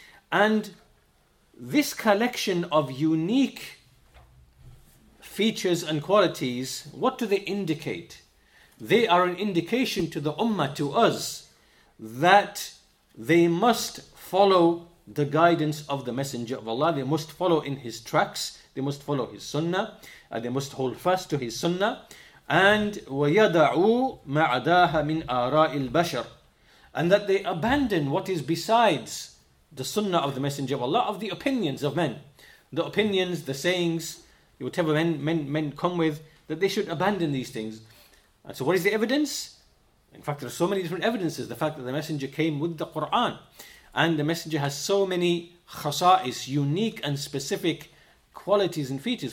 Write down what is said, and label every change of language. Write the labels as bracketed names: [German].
[English] And this collection of unique features and qualities, what do they indicate? They are an indication to the Ummah, to us, that they must follow the guidance of the Messenger of Allah. They must follow in his tracks. They must follow his sunnah. They must hold fast to his sunnah. [Arabic] And وَيَدَعُوا مَعَدَاهَا مِنْ آرَاءِ الْبَشَرِ. [English] And that they abandon what is besides the sunnah of the Messenger of Allah, of the opinions of men. The opinions, the sayings, whatever men come with, that they should abandon these things. And so what is the evidence? In fact, there are so many different evidences. The fact that the Messenger came with the Quran, and the Messenger has so many khasa'is, unique and specific qualities and features.